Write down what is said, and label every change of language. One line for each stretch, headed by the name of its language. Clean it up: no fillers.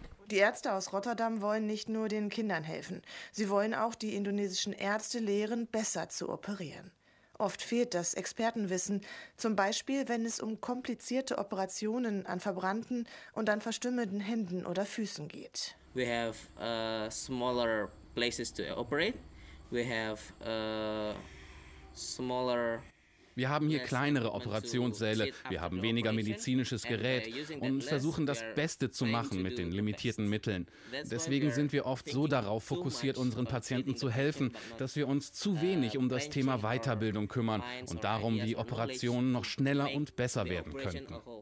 German: Die Ärzte aus Rotterdam wollen nicht nur den Kindern helfen. Sie wollen auch die indonesischen Ärzte lehren, besser zu operieren. Oft fehlt das Expertenwissen, zum Beispiel wenn es um komplizierte Operationen an verbrannten und an verstümmelten Händen oder Füßen geht.
English: We have smaller places to operate. We have smaller
German: Wir haben hier kleinere Operationssäle, wir haben weniger medizinisches Gerät und versuchen das Beste zu machen mit den limitierten Mitteln. Deswegen sind wir oft so darauf fokussiert, unseren Patienten zu helfen, dass wir uns zu wenig um das Thema Weiterbildung kümmern und darum, wie Operationen noch schneller und besser werden könnten.